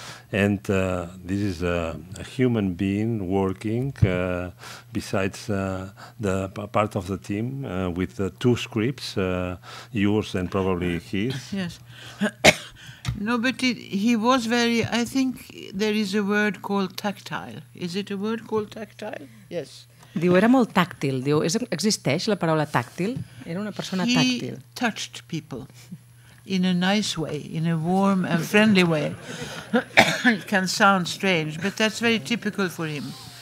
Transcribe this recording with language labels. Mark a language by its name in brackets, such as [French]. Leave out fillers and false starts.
[English] And this is a human being working besides the part of the team with the two scripts, yours and probably his. Yes. No, but he was very, I think there is a word called tactile. Is it a word called tactile? Yes. [Catalan] Diu, era molt tàctil. Diu, existeix la paraula tàctil? Era una persona he tàctil. [English] He touched people. In a nice way, in a warm and friendly way. It can sound strange, but that's very typical for him.